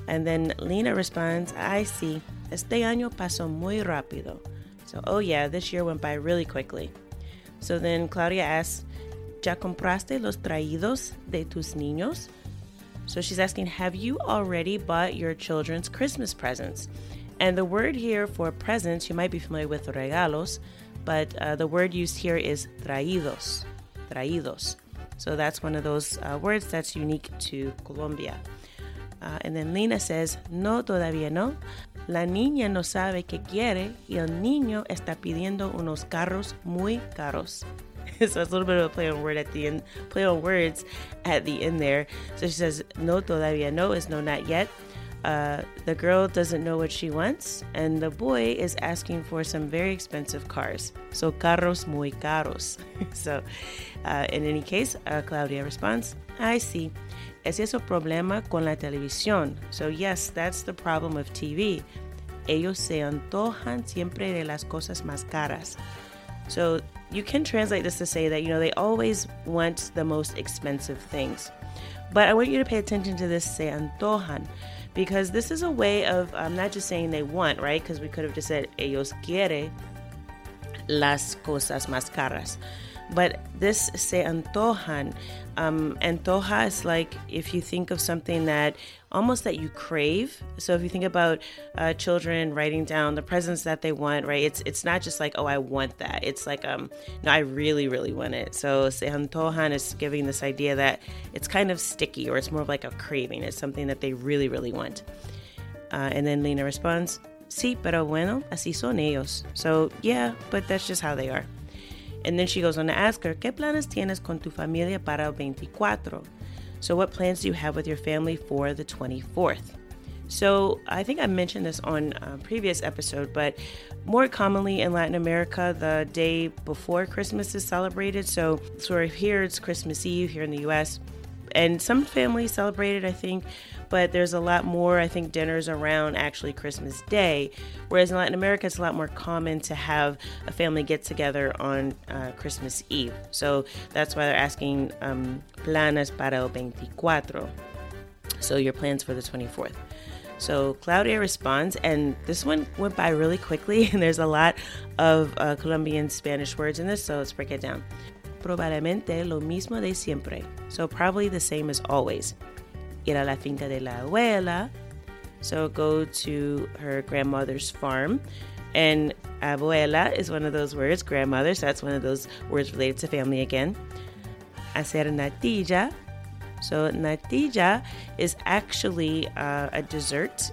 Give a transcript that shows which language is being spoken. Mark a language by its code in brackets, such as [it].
[en] And then Lina responds, I see, [es] este año pasó muy rápido. [en] So, oh yeah, this year went by really quickly. So then Claudia asks, [es] ¿Ya compraste los traídos de tus niños? [en] So she's asking, have you already bought your children's Christmas presents? And the word here for presents, you might be familiar with regalos, but the word used here is traídos, traídos. So that's one of those words that's unique to Colombia. And then Lina says, [es] no, todavía no. La niña no sabe qué quiere y el niño está pidiendo unos carros muy caros. [en] So it's a little bit of a play on word at the end, play on words at the end there. So she says, [es] no todavía no [en] is no not yet. The girl doesn't know what she wants, and the boy is asking for some very expensive cars. So [es] carros muy caros. [en] So in any case, Claudia responds, I see. [es] ¿Es eso problema con la televisión? [en] So yes, that's the problem with TV. [es] Ellos se antojan siempre de las cosas más caras. [en] So you can translate this to say that, you know, they always want the most expensive things. But I want you to pay attention to this, se antojan, because this is a way of, I'm not just saying they want, right? Because we could have just said, [es] ellos quiere las cosas más caras. [en] But this, se antojan, antoja is like if you think of something that, almost that you crave. So if you think about children writing down the presents that they want, right? It's not just like, oh, I want that. It's like, no, I really, really want it. So se antojan is giving this idea that it's kind of sticky, or it's more of like a craving. It's something that they really, really want. And then Lina responds, [es] sí, pero bueno, así son ellos. [en] So yeah, but that's just how they are. And then she goes on to ask her, [es] ¿Qué planes tienes con tu familia para el 24? [en] So what plans do you have with your family for the 24th? So I think I mentioned this on a previous episode, but more commonly in Latin America, the day before Christmas is celebrated. So sort of here, it's Christmas Eve here in the U.S. and some families celebrated, I think, but there's a lot more, I think, dinners around actually Christmas Day, whereas in Latin America, it's a lot more common to have a family get together on Christmas Eve. So that's why they're asking [es] planes para el 24, [en] so your plans for the 24th. So Claudia responds, and this one went by really quickly, and there's a lot of Colombian Spanish words in this, so let's break it down. [es] Probablemente lo mismo de siempre. [en] So probably the same as always. [es] Ir a la finca de la abuela. [en] So go to her grandmother's farm. And abuela is one of those words, grandmother, so that's one of those words related to family again. [es] Hacer natilla. [en] So natilla is actually a dessert.